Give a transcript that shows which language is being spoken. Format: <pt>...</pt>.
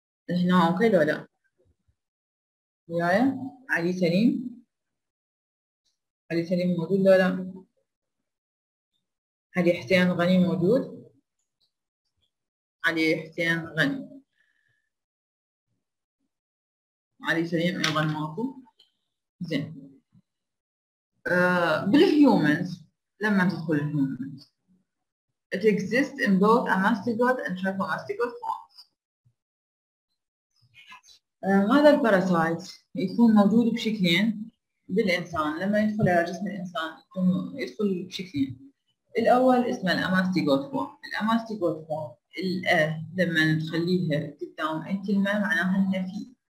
<ar>هنا اوكي ولا لا؟ وياي علي سليم، علي سليم موجود ولا لا؟ علي حسين غني موجود؟ علي حسين غني، علي سليم ايضا ماكو. زين بالهيومنز، لما تدخل الهيومنز</ar> <en>it exists in both amastigote and trypanosomiasis forms.</en> <ar>هذا الباراسايت يكون موجود بشكلين بالإنسان، لما يدخل على جسم الإنسان يدخل بشكلين. الأول اسمه الأماستيغوت فور، الأماستيغوت فور الأ لما نخليها قدام أي كلمة معناها النفي.</ar>